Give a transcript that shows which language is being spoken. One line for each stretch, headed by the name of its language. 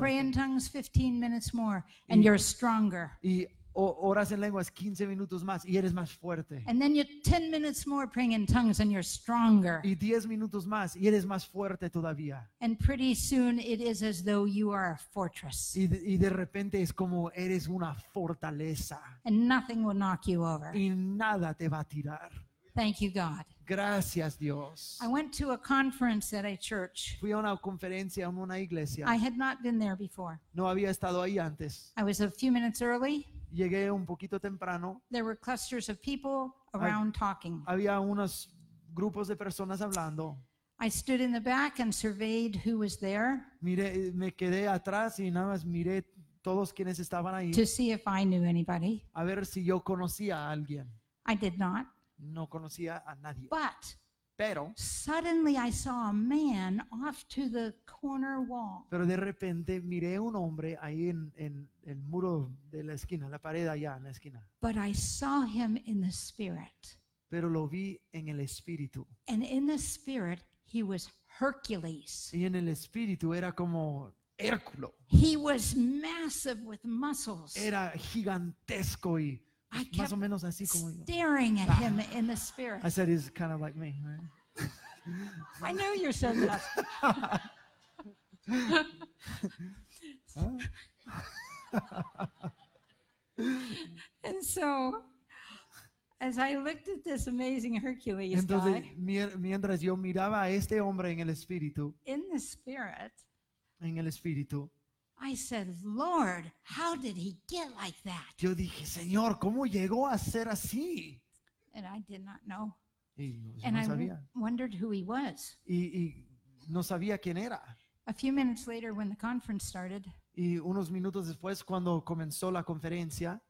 English: Pray in tongues 15 minutes more and you're stronger.
Spanish: Y oras en lenguas 15 minutos más y eres más fuerte.
English: And then you 10 minutes more praying in tongues and you're stronger.
Spanish: Y 10 minutos más y eres más fuerte todavía.
English: And pretty soon it is as though you are a fortress.
Spanish: Y de repente es como eres una fortaleza.
English: And nothing will knock you over.
Spanish: Y nada te va a tirar.
English: Thank you, God.
Spanish: Gracias, Dios.
English: I went to a conference at a church.
Spanish: Fui a una conferencia en una iglesia.
English: I had not been there before.
Spanish: No había estado ahí antes.
English: I was a few minutes early.
Spanish: Llegué un poquito temprano.
English: There were clusters of people around talking.
Spanish: Había unos grupos de personas hablando.
English: I stood in the back and surveyed who was there.
Spanish: Me quedé atrás y nada más miré todos quienes estaban ahí.
English: To see if I knew anybody.
Spanish: A ver si yo conocía a alguien.
English: I did not.
Spanish: No conocía a nadie.
English: But
Spanish: pero,
English: suddenly I saw a man off to the corner wall.
Spanish: Pero de repente miré un hombre ahí en el muro de la esquina, la pared allá en la esquina.
English: But I saw him in the spirit.
Spanish: Pero lo vi en el espíritu.
English: And in the spirit he was Hercules.
Spanish: Y en el espíritu era como Hércules.
English: He was massive with muscles.
Spanish: Era gigantesco y
English: I kept
Spanish: más o menos así como
English: staring
Spanish: yo.
English: At him in the spirit. I said he's kind of like me, right? I know you're so nuts. Huh? And so as I looked at this amazing Hercules
Spanish: entonces,
English: guy,
Spanish: mientras yo miraba a este hombre en el espíritu,
English: in the spirit,
Spanish: en el espíritu,
English: I said, Lord, how did he get like that?
Spanish: Yo dije, Señor, ¿cómo llegó a ser así?
English: And I did not know.
Spanish: Y no sabía.
English: Wondered who he was.
Spanish: Y no sabía quién era.
English: A few minutes later when the conference started,
Spanish: y unos minutos después cuando comenzó la conferencia,